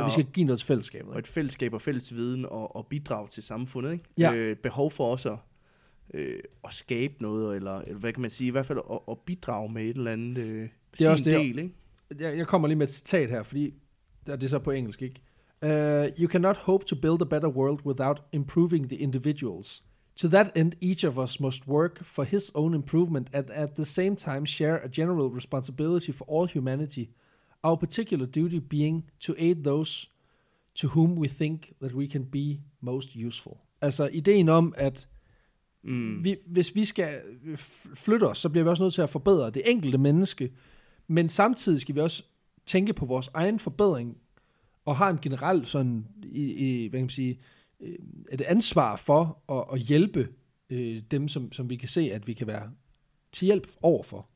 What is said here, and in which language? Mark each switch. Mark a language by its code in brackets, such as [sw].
[da] og vi skal give noget til fællesskabet. Og et fællesskab og fælles viden og bidrag til samfundet, ikke? Ja. Behov for også at skabe noget, eller hvad kan man sige, i hvert fald at bidrage med et eller andet det er sin også det, del, ikke? Jeg kommer lige med et citat her, fordi det er så på engelsk, ikke? [en] You cannot hope to build a better world without improving the individuals. To that end, each of us must work for his own improvement and at the same time share a general responsibility for all humanity. Our particular duty being to aid those to whom we think that we can be most useful. [da] Altså, ideen om, at hvis vi skal flytte os, så bliver vi også nødt til at forbedre det enkelte menneske, men samtidig skal vi også tænke på vores egen forbedring og har en generel sådan, hvad kan man sige, et ansvar for at hjælpe dem, som vi kan se, at vi kan være til hjælp overfor.